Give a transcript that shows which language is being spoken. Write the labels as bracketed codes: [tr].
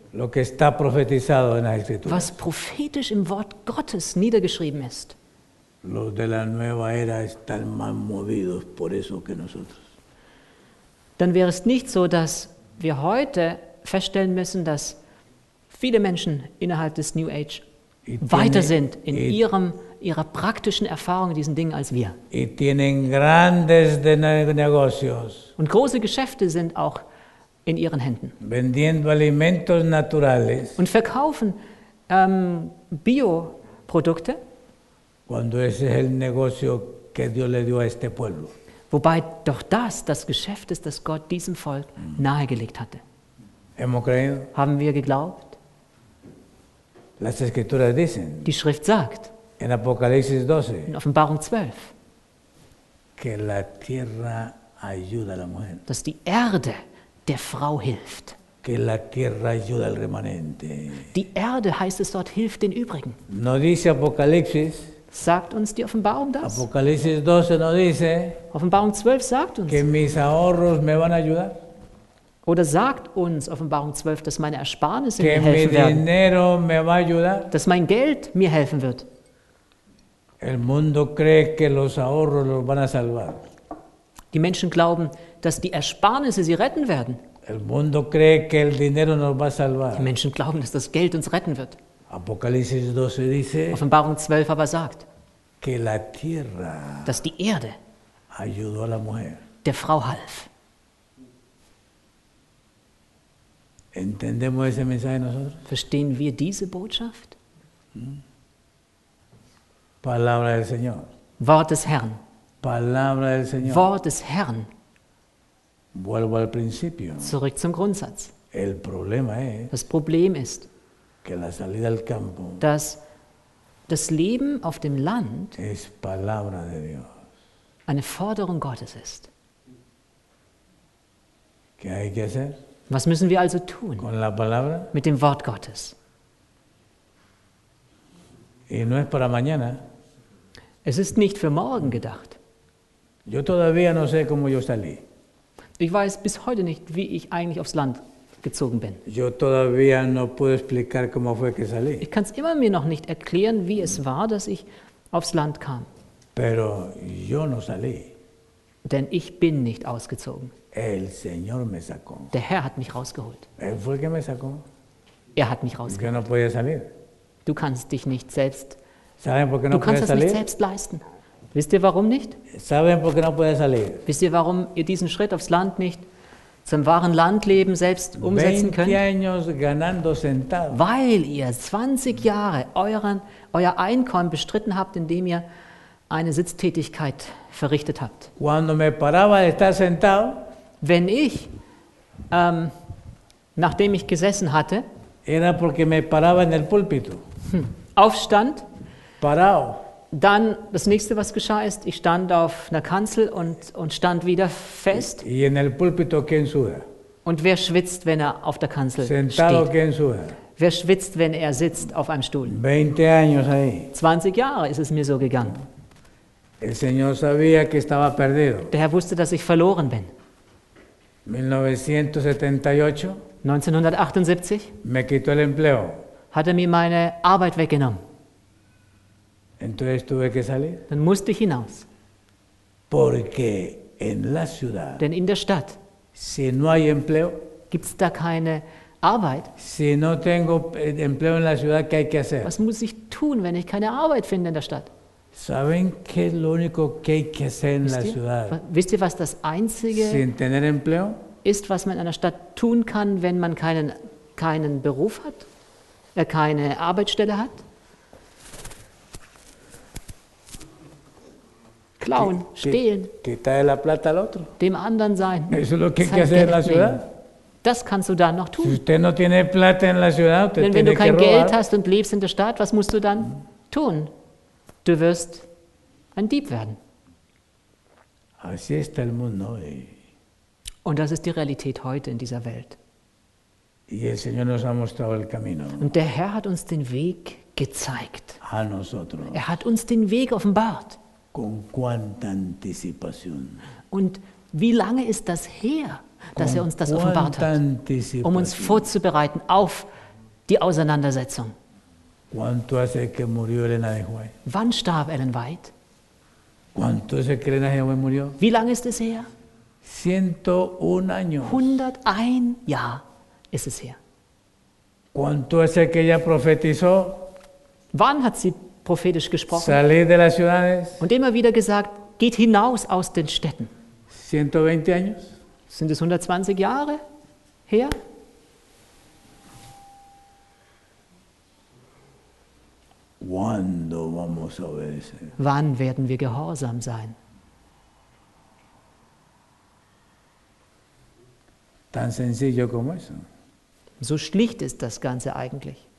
[es] lo que está profetizado en la Escritura, [de] was prophetisch im Wort Gottes niedergeschrieben ist. [es] Los de la nueva era están más movidos por eso que nosotros. [de] Dann wäre es nicht so, dass wir heute feststellen müssen, dass viele Menschen innerhalb des New Age weiter sind in ihrer praktischen Erfahrung in diesen Dingen als wir. [es] Y tienen grandes de negocios. [de] Und große Geschäfte sind auch in ihren Händen. [es] Vendiendo alimentos naturales. [de] Und verkaufen Bioprodukte. [es] Cuando ese es el negocio que Dios le dio a este pueblo. [de] Wobei doch das Geschäft ist, das Gott diesem Volk nahegelegt hatte. [es] Hemos creído. [de] Haben wir geglaubt? [es] Las Escrituras dicen. [de] Die Schrift sagt. [es] En Apocalipsis 12. [de] In Offenbarung 12. [es] Que la tierra ayuda a la mujer. [de] Dass die Erde der Frau hilft. [es] Que la tierra ayuda al remanente. [de] Die Erde, heißt es dort, hilft den Übrigen. [es] No dice Apocalipsis. [de] Sagt uns die Offenbarung das? [es] Apocalipsis 12 no dice. [de] Offenbarung 12 sagt uns. [es] Que mis ahorros me van a ayudar. [de] Oder sagt uns Offenbarung 12, dass meine Ersparnisse [es] que [de] mir helfen [es] mi dinero [de] werden. [es] Me va a ayudar. [de] Dass mein Geld mir helfen wird. [es] El mundo cree que los ahorros los van a salvar. [de] Die Menschen glauben, dass die Ersparnisse sie retten werden. [es] El mundo cree que el dinero nos va a salvar. [de] Die Menschen glauben, dass das Geld uns retten wird. [es] Apocalipsis 12 dice, [de] Offenbarung 12 aber sagt, [es] que la tierra [de] dass die Erde [es] ayudó a la mujer. [de] Der Frau half. [es] Entendemos ese mensaje nosotros? [de] Verstehen wir diese Botschaft? [es] Palabra del Señor. [de] Wort des Herrn. [es] Palabra del Señor. [de] Wort des Herrn. [es] Vuelvo al principio. [de] Zurück zum Grundsatz. [es] El problema es, [de] das Problem ist, [es] que la salida al campo, [de] dass das Leben auf dem Land [es] es palabra de Dios. [de] Eine Forderung Gottes ist. [es] ¿Qué hay que hacer? [de] Was müssen wir also tun? [es] Con la palabra? [de] Mit dem Wort Gottes. [es] Y no es para mañana. [de] Es ist nicht für morgen gedacht. [es] Yo todavía no sé cómo yo salí. [de] Ich weiß bis heute nicht, wie ich eigentlich aufs Land gezogen bin. [es] Yo todavía no puedo explicar cómo fue que salí. [de] Ich kann es immer mir noch nicht erklären, wie es war, dass ich aufs Land kam. [es] Pero yo no salí. [de] Denn ich bin nicht ausgezogen. [es] El Señor me sacó. [de] Der Herr hat mich rausgeholt. [es] Él fue el que me sacó. [de] Er hat mich rausgeholt. [es] Yo no podía salir. [de] Du kannst dich nicht selbst. [es] ¿Saben por qué no [de] du kannst das [es] salir? [de] Nicht selbst leisten. Wisst ihr, warum nicht? [es] ¿Saben por qué no puedes salir? [de] Wisst ihr, warum ihr diesen Schritt aufs Land nicht zum wahren Landleben selbst umsetzen könnt? [es] 20 años ganando sentado. [de] Weil ihr 20 Jahre euer Einkommen bestritten habt, indem ihr eine Sitztätigkeit verrichtet habt. [es] Cuando me paraba de estar sentado, [de] wenn ich, nachdem ich gesessen hatte, [es] era porque me paraba en el púlpito. [de] Aufstand, [es] parao. [de] Dann das nächste, was geschah, ist, ich stand auf einer Kanzel und stand wieder fest. [es] Y en el púlpito, ¿quién suda? [de] Und wer schwitzt, wenn er auf der Kanzel [es] sentado, [de] steht? [es] ¿Quién suda? [de] Wer schwitzt, wenn er sitzt auf einem Stuhl? [es] 20, años ahí. [de] 20 Jahre ist es mir so gegangen. [es] El Señor sabía que estaba perdido. [de] Der Herr wusste, dass ich verloren bin. [es] 1978 me quitó el empleo. [de] Hat er mir meine Arbeit weggenommen. [es] Entonces tuve que salir. [de] Dann musste ich hinaus. [es] Porque en la ciudad, [de] denn in der Stadt, [es] si no hay empleo, [de] gibt's da keine Arbeit. [es] Si no tengo empleo en la ciudad, ¿qué hay que hacer? [de] Was muss ich tun, wenn ich keine Arbeit finde in der Stadt? [es] ¿Saben qué es lo único que hay que hacer en la ciudad? [de] Wisst ihr, was das einzige [es] sin tener empleo, [de] ist, was man in einer Stadt tun kann, wenn man keinen Beruf hat, keine Arbeitsstelle hat? Klauen, stehlen, [es] quitarle la plata al otro. [de] Dem anderen sein. [es] Eso lo que hay que hacer en la ciudad. [de] Das kannst du dann noch tun. [es] Si usted no tiene plata en la ciudad, usted [de] denn wenn [es] tiene [de] du kein [es] que [de] Geld [es] robar. [de] Hast und lebst in der Stadt, was musst du dann tun? Du wirst ein Dieb werden. [es] Así está el mundo hoy. [de] Und das ist die Realität heute in dieser Welt. [es] Y el Señor nos ha mostrado el camino. [de] Und der Herr hat uns den Weg gezeigt. [es] A nosotros. [de] Er hat uns den Weg offenbart. [es] Con cuánta anticipación. [de] Und wie lange ist das her, dass [es] con [de] er uns das offenbart hat, um uns vorzubereiten auf die Auseinandersetzung? [es] ¿Cuánto hace que murió Elena de Huay? [de] Wann starb Ellen White? [es] ¿Cuánto hace que Elena de Huay murió? [de] Wie lange ist es her? [es] 101 años. [de] 101 Jahr ist es her. [es] ¿Cuánto hace que ella profetizó? [de] Wann hat sie prophetisch gesprochen? [es] Salid de las ciudades. [de] Und immer wieder gesagt, geht hinaus aus den Städten. [es] 120 años. [de] Sind es 120 Jahre her? [es] ¿Cuándo vamos a obedecer? [de] Wann werden wir gehorsam sein? [es] Tan sencillo como eso. [de] So schlicht ist das Ganze eigentlich.